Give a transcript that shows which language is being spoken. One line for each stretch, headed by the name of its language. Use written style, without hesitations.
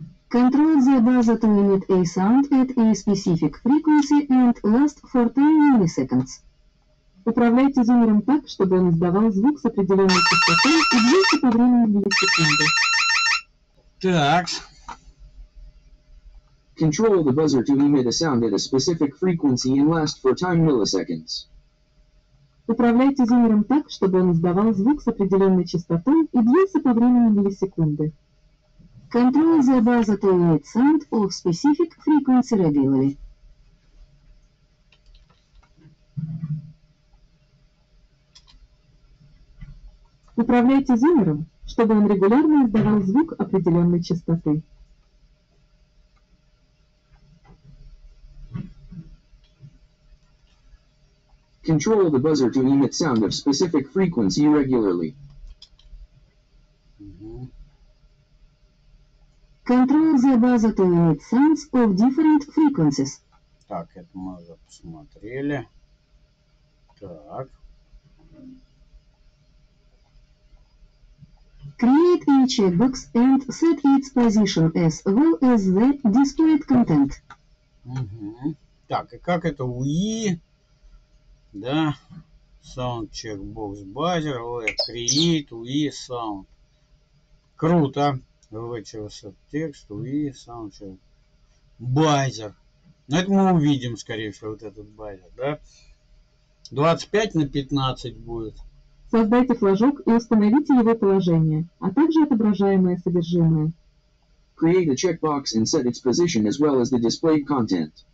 English: Control the buzzer to emit a sound at a specific frequency and last for 10 milliseconds.
Russian: Управляйте зумером так, чтобы он издавал звук с определенной частотой и двигался по времени миллисекунды. Так.
English: Control the buzzer to emit a sound at a specific frequency and last for 10 milliseconds.
Russian: Управляйте зумером так, чтобы он издавал звук с определенной частотой и двигался по времени миллисекунды.
English: Control the buzzer to emit sound of specific frequency regularly.
Russian: Управляйте зумером, чтобы он регулярно издавал звук определенной частоты.
English: Control the buzzer to emit sound of specific frequency regularly. Control the buzzer to emit sounds of different frequencies.
Russian: Так, это мы уже посмотрели. Так.
English: Create a checkbox and set its position as well as the displayed content.
Russian: Так, и как это UI? Да.
English: Sound checkbox buzzer. Create UI sound.
Russian: Круто. Вычеркнул текст, UI, саундчек, базер. Но это мы увидим, скорее всего, вот этот байзер, да? 25 на 15 будет. Создайте флажок и установите его положение, а также отображаемое содержимое.
English: Create a checkbox and set its position as well as the displayed content.